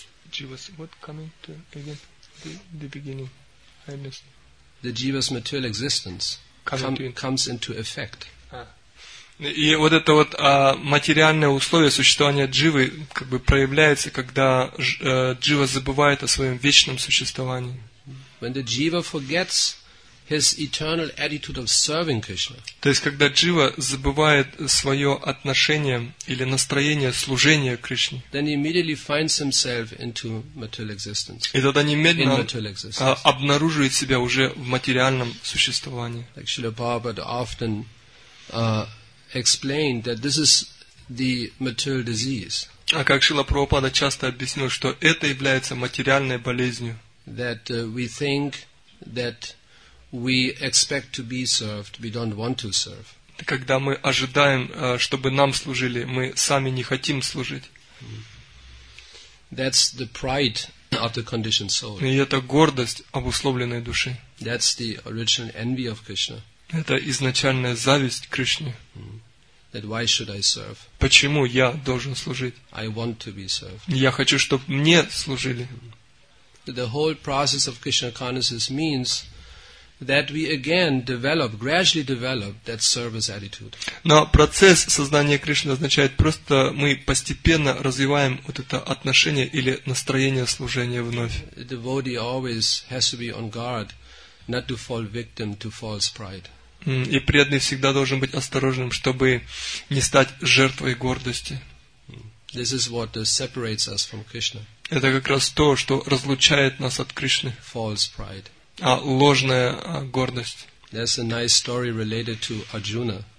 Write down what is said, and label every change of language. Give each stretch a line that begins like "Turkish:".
English: Jiva's what coming to again the beginning? I missed. The jiva's material existence comes into effect.
Russian: И вот это вот материальное условие существования дживы как бы проявляется, когда джива забывает о своем вечном существовании.
English: When the jiva forgets his eternal attitude of serving Krishna.
Russian: То есть когда джива забывает свое отношение или настроение служения Кришне.
English: Then he immediately finds himself into material existence.
Russian: И тогда немедленно обнаруживает себя уже в материальном существовании.
English: Like Srila Prabhupada often explained that this is the material disease.
Russian: А как Шрила Прабхупада часто объяснил, что это является материальной болезнью.
English: That we think that we expect to be served, we don't want to serve.
Russian: Когда мы ожидаем, чтобы нам служили, мы сами не хотим служить.
English: That's the pride of the conditioned soul.
Russian: И это гордость обусловленной души.
English: That's the original envy of Krishna.
Russian: Это изначальная зависть к Кришне.
English: That why should I serve?
Russian: Почему я должен служить?
English: I want to be served.
Russian: Я хочу, чтобы мне служили.
English: The whole process of Krishna consciousness means that we again develop, gradually develop that service attitude.
Russian: Но процесс сознания Кришны означает просто мы постепенно развиваем вот это отношение или настроение служения вновь.
English: The devotee always has to be on guard not to fall victim to false pride.
Russian: И преданный всегда должен быть осторожным, чтобы не стать жертвой гордости.
English: This is what separates us from Krishna.
Russian: Это как раз то, что разлучает нас от Кришны.
English: False pride.
Russian: А ложная гордость.
English: There's a nice story related to Arjuna.